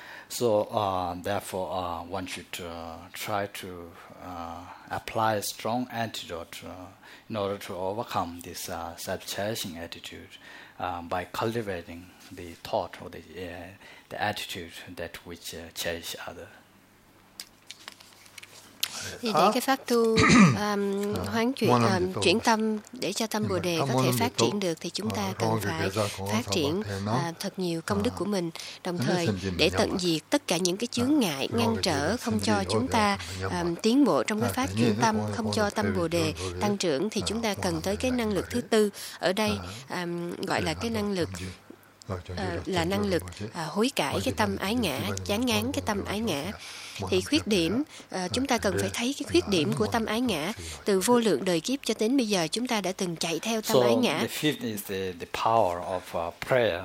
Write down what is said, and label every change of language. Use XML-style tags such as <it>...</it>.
<en>So therefore, one should try to apply a strong antidote in order to overcome this self-cherishing attitude by cultivating the thought or the attitude that which cherish other.</en> <vi>Thì để cái pháp tu hoán chuyển chuyển tâm để cho tâm bồ đề có thể phát triển được thì chúng ta cần phải phát triển thật nhiều công đức của mình, đồng thời để tận diệt tất cả những cái chướng ngại ngăn trở không cho chúng ta tiến bộ trong cái pháp chuyển tâm, không cho tâm bồ đề tăng trưởng, thì chúng ta cần tới cái năng lực thứ tư ở đây, gọi là cái năng lực là năng lực hối cải cái tâm ái ngã, chán ngán cái tâm ái ngã. Thì khuyết điểm, chúng ta cần phải thấy cái khuyết điểm của tâm ái ngã. Từ vô lượng đời kiếp cho đến bây giờ, chúng ta đã từng chạy theo tâm ái ngã.</vi> <en>So the fifth is the power of prayer.</en>